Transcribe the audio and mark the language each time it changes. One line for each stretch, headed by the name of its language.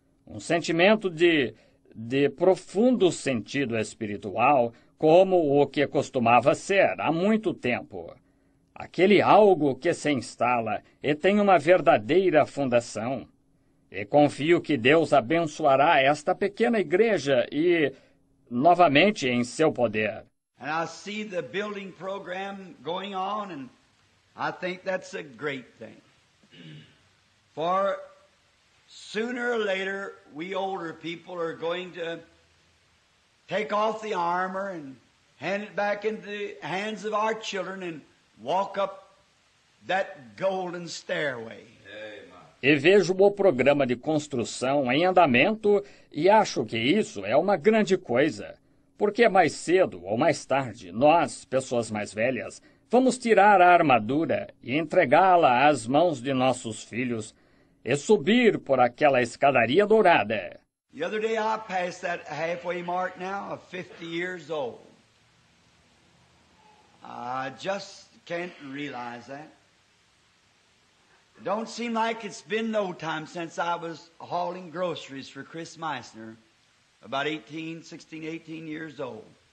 Portuguese: Um sentimento de profundo sentido espiritual, como o que costumava ser há muito tempo. Aquele algo que se instala e tem uma verdadeira fundação. E confio que Deus abençoará esta pequena igreja e, novamente, em seu poder.
English: And I see the building program going on, and I think that's a great thing. For sooner or later, we older people are going to take off the armor and hand it back into the hands of our children and walk up that golden stairway.
Portuguese: E vejo o programa de construção em andamento e acho que isso é uma grande coisa. Porque mais cedo ou mais tarde, nós, pessoas mais velhas, vamos tirar a armadura e entregá-la às mãos de nossos filhos e subir por aquela escadaria dourada.
English: The other day I passed that halfway mark now of 50 years old. I just can't realize that. Don't seem like it's been no time since I was hauling groceries for Chris Meissner, about 16, 18 years old.